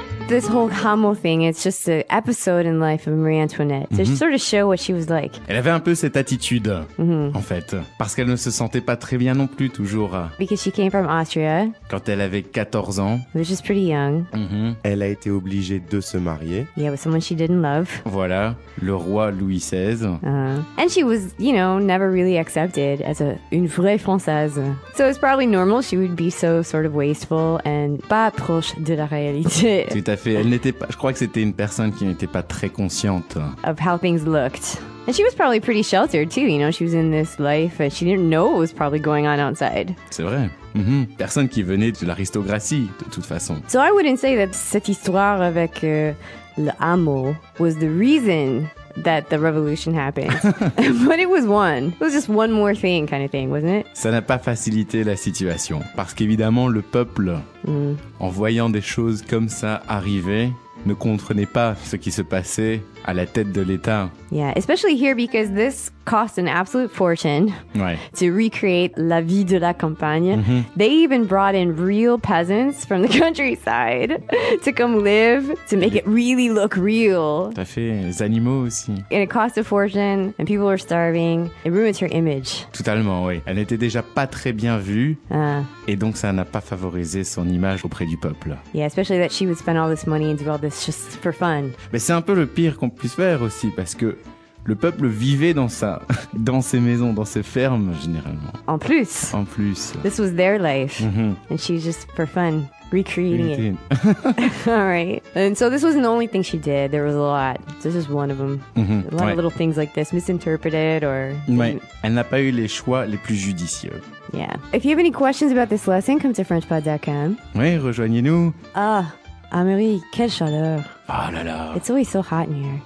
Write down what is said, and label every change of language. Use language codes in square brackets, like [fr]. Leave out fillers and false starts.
[en] This whole Hamel thing, it's just an episode in life of Marie Antoinette. Mm-hmm. To sort of show what she was like. [fr] Elle avait un peu cette attitude, mm-hmm. en fait. Parce qu'elle ne se sentait pas très bien non plus, toujours. [en] Because she came from Austria. [fr] Quand elle avait 14 ans. [en] Which is pretty young. Mm-hmm. [fr] Elle a été obligée de se marier. [en] Yeah, with someone she didn't love. [fr] Voilà, le roi Louis XVI. [en] And she was, you know, never really accepted as a [fr] une vraie Française. [en] So it's probably normal she would be so sort of wasteful and [fr] pas proche de la réalité. Tout à fait. Elle n'était pas, je crois que c'était une personne qui n'était pas très consciente [en] of how things looked. And she was probably pretty sheltered too, you know, she was in this life and she didn't know what was probably going on outside. [fr] C'est vrai. Mm-hmm. Personne qui venait de l'aristocratie, de toute façon. [en] So I wouldn't say that [fr] cette histoire avec le hameau [en] was the reason that the revolution happened. But it was one. It was just one more thing, kind of thing, wasn't it? [fr] Ça n'a pas facilité la situation. Parce qu'évidemment, le peuple, en voyant des choses comme ça arriver, ne comprenait pas ce qui se passait à la tête de l'État. [en] Yeah, especially here because this cost an absolute fortune to recreate [fr] la vie de la campagne. [en] Mm-hmm. They even brought in real peasants from the countryside to come live, to make it really look real. [fr] Tout à fait, les animaux aussi. [en] And it cost a fortune, and people were starving. It ruins her image. [fr] Totalement, oui. Elle n'était déjà pas très bien vue, et donc ça n'a pas favorisé son image auprès du peuple. [en] Yeah, especially that she would spend all this money and do all this just for fun. [fr] Mais c'est un peu le pire qu'on puisse faire aussi, parce que le peuple vivait dans ça, dans ses maisons, dans ses fermes, généralement. En plus. En plus. [en] This was their life. Mm-hmm. And she was just for fun, recreating it. All right. And so this wasn't the only thing she did. There was a lot. This is one of them. Mm-hmm. A lot of little things like this, misinterpreted or... [fr] Ouais. Elle n'a pas eu les choix les plus judicieux. [en] Yeah. If you have any questions about this lesson, come to Frenchpod.com. [fr] Oui, rejoignez-nous. Ah, Amélie, quelle chaleur. Oh là là. [en] It's always so hot in here.